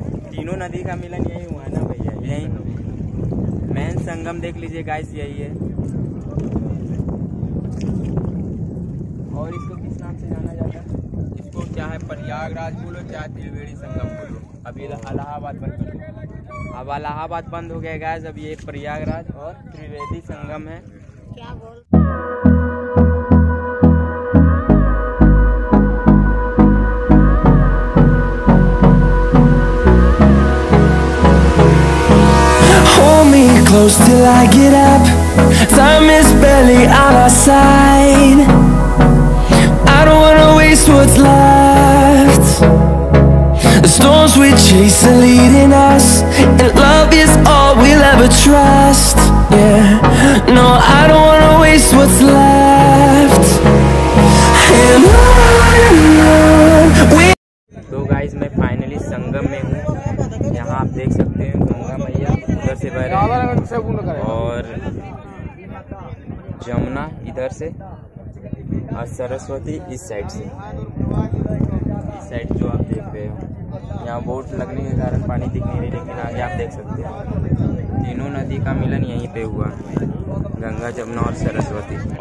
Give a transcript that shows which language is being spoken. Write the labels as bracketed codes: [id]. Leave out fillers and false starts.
[hi] तीनों नदी का मिलन यही हुआ है ना भैया, यही मेन संगम देख लीजिए गाइस यही है। और इसको किस नाम से जाना जाता है, चाहे प्रयागराज बोलो चाहे त्रिवेणी संगम बोलो, अभी इलाहाबाद बंद हो गया। अब इलाहाबाद बंद हो गया गाइस, अब ये प्रयागराज और त्रिवेणी संगम है। क्या बोल [en] close till I get up, time is barely on our side, I don't wanna waste what's left, the storms we chase are leading us, and love is all we'll ever trust, yeah, no, I don't wanna waste what's left, and on we... So guys, I'm finally in Sangam, here you can see Ganga Maiya. [hi] से बह रहे और जमुना इधर से और सरस्वती इस side से, इस साइड जो आप देख रहे हो यहाँ बोट लगने के कारण पानी दिख नहीं रही, लेकिन आगे आप देख सकते हैं तीनों नदी का मिलन यहीं पे हुआ, गंगा जमुना और सरस्वती।